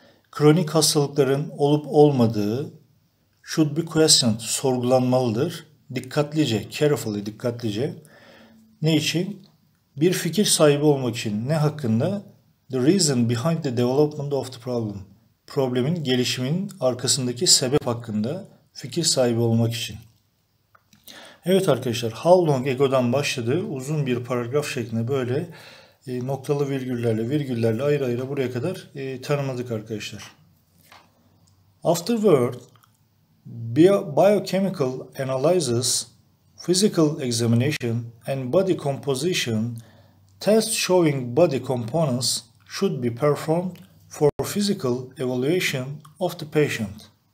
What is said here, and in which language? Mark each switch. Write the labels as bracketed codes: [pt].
[tr] Kronik hastalıkların olup olmadığı [en] should be questioned, [tr] sorgulanmalıdır. Dikkatlice, carefully, dikkatlice. Ne için? Bir fikir sahibi olmak için. Ne hakkında? [en] The reason behind the development of the problem. [tr] Problemin, gelişimin arkasındaki sebep hakkında fikir sahibi olmak için. Evet arkadaşlar, [en] how long ago'dan [tr] başladı. Uzun bir paragraf şeklinde böyle noktalı virgüllerle, virgüllerle ayrı ayrı buraya kadar tanımladık arkadaşlar. [en] Afterward, biochemical analysis, physical examination and body composition, tests showing body components should be performed for physical evaluation of the patient.